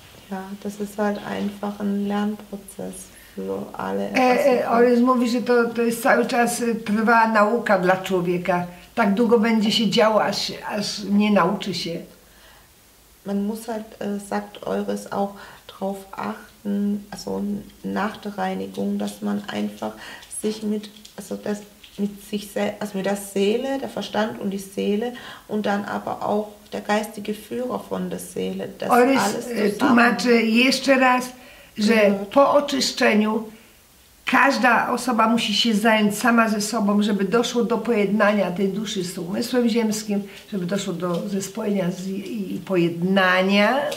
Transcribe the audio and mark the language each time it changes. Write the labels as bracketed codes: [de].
[de] Ja, das ist halt einfach ein Lernprozess für alle. [pl] Ores mówi, że to jest cały czas trwa nauka dla człowieka. Tak długo będzie się działo, aż nie nauczy się. [de] Man muss halt, sagt Ores, auch drauf achten, also nach der Reinigung, dass man einfach sich mit, also das, mit sich selbst, also mit der Seele, der Verstand und die Seele und dann aber auch der geistige Führer von der Seele, das Ores alles zusammen. [pl] Ores tłumaczy jeszcze raz, że po oczyszczeniu każda osoba musi się zająć sama ze sobą, żeby doszło do pojednania tej duszy z umysłem ziemskim, żeby doszło do zespojenia i pojednania.